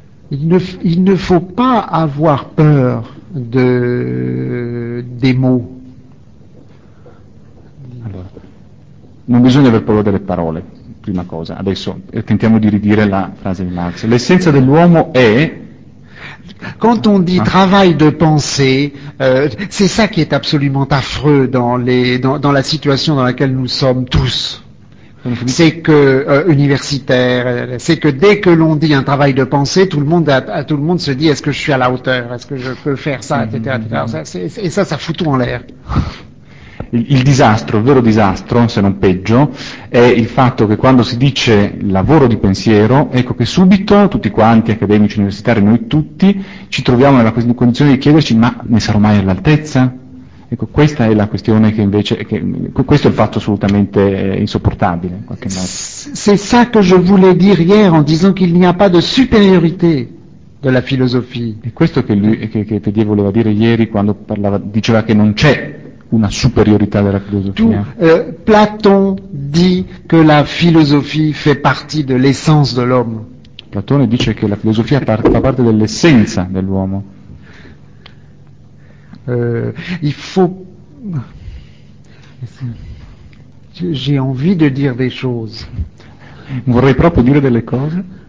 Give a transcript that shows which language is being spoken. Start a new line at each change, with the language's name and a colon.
French: Il ne faut pas avoir peur des mots.
Italian: Allora, non bisogna aver paura delle parole. Prima cosa, adesso tentiamo di ridire la frase di Marx. L'essenza dell'uomo è...
French: Quand on dit travail de pensée, c'est ça qui est absolument affreux dans la situation dans laquelle nous sommes tous. C'est que universitaire, c'est que dès que l'on dit un travail de pensée, tout le monde se dit est-ce que je suis à la hauteur, est-ce que je peux faire ça, etc. Ça fout tout en l'air.
Italian: Il disastro, il vero disastro, se non peggio, è il fatto che quando si dice lavoro di pensiero, ecco che subito tutti quanti, accademici, universitari, noi tutti, ci troviamo nella condizione di chiederci ma ne sarò mai all'altezza? Ecco, questa è la questione che invece, questo è il fatto assolutamente insopportabile, in qualche modo.
French: C'est ça que je voulais dire hier en disant qu'il n'y a pas de supériorité de la philosophie.
Italian: È questo che lui, che Teddy voleva dire ieri quando parlava, diceva che non c'è una superiorità della filosofia.
French: Platon dit que la philosophie fait partie de l'essence de l'homme.
Italian: Platone dice che la filosofia fa parte dell'essenza dell'uomo.
French: Il faut. J'ai envie de dire des choses.
Italian: Vorrei proprio dire delle cose.